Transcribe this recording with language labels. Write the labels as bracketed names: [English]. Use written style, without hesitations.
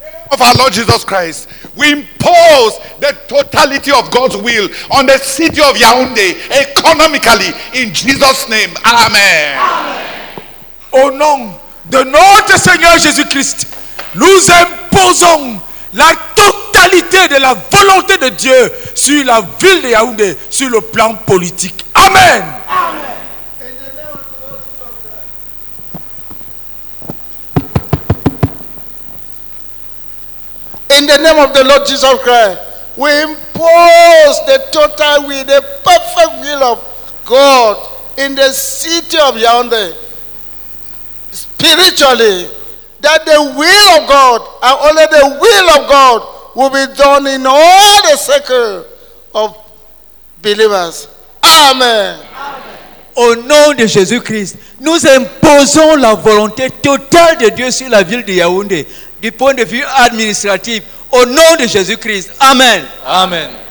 [English] Of our Lord Jesus Christ, we impose the totality of God's will on the city of Yaoundé economically in Jesus' name. Amen. [French] Au nom de notre Seigneur Jésus Christ, nous imposons la totalité de la volonté de Dieu sur la ville de Yaoundé, sur le plan politique. Amen. [English] In the name of the Lord Jesus Christ, we impose the total will, the perfect will of God in the city of Yaoundé, spiritually, that the will of God and only the will of God will be done in all the circle of believers. Amen. Amen. [French] Au nom de Jésus-Christ, nous imposons la volonté totale de Dieu sur la ville de Yaoundé du point de vue administratif. Au nom de Jésus-Christ. Amen. Amen.